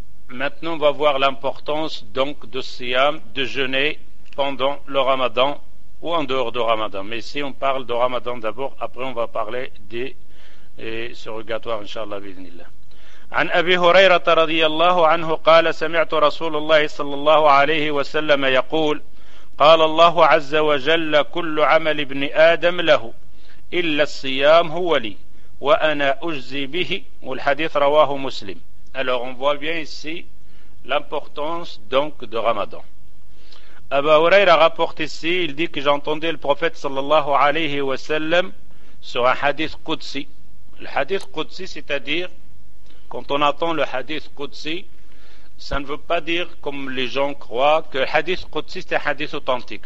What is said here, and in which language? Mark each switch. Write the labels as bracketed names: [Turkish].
[French] Maintenant on va voir l'importance donc de siyam, de jeûner pendant le ramadan ou en dehors de ramadan. Mais si on parle de ramadan d'abord, après on va parler des surrogatoires inshallah bidnillah. [Arabic] عن أبي هريرة رضي الله عنه قال سمعت رسول الله صلى الله عليه وسلم يقول قال الله عز وجل كل عمل ابن آدم له إلا الصيام هو لي وأنا أجزي به، والحديث رواه مسلم. [French] Alors on voit bien ici l'importance donc de Ramadan. Abu Huraira rapporte ici, il dit que j'entendais le prophète sallallahu alayhi wa sallam sur un hadith Qudsi. Le hadith Qudsi, c'est-à-dire quand on entend le hadith Qudsi, ça ne veut pas dire comme les gens croient que le hadith Qudsi c'est un hadith authentique.